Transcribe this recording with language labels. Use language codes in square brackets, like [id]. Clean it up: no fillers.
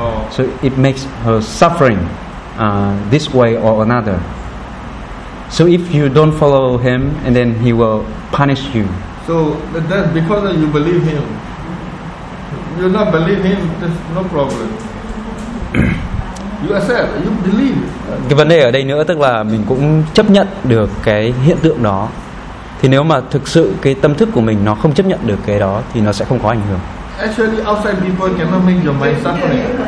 [en] So it makes her suffering this way or another. So if you don't follow him, and then he will punish you. So that because you believe him, you not believe him, there's no problem. You accept, you believe. [vi] Cái vấn đề ở đây nữa tức là mình cũng chấp nhận được cái hiện tượng đó. Thì nếu mà thực sự cái tâm thức của mình nó không chấp nhận được cái đó thì nó sẽ không có ảnh hưởng. [en] Actually, outside people cannot make your mind suffering.